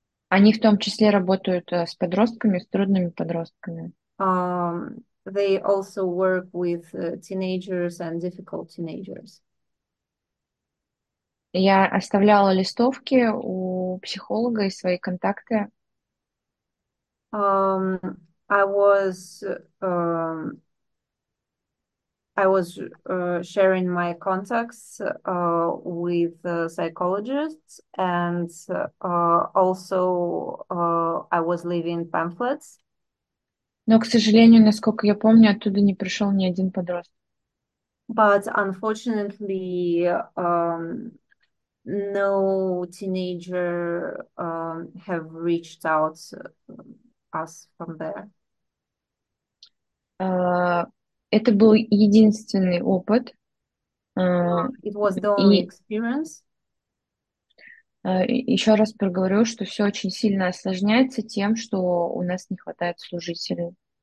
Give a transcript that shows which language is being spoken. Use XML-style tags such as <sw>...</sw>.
<ru>Они в том числе работают с подростками, с трудными подростками.</ru> <en>They also work with teenagers and difficult teenagers.</en> <ru>Я оставляла листовки у психолога и свои контакты.</ru> <en>I was sharing my contacts with psychologists, and also I was leaving pamphlets.</en> <ru>Но, к сожалению, насколько я помню, оттуда не пришел ни один подросток.</ru> <en>But unfortunately, no teenager have reached out us from there.</en> <ru>Это был единственный опыт,</ru> <en>It was the only</en> <ru>и</ru> <en>experience.</en> <ru>еще раз проговорю, что все очень сильно осложняется тем, что у нас не хватает служителей.</ru>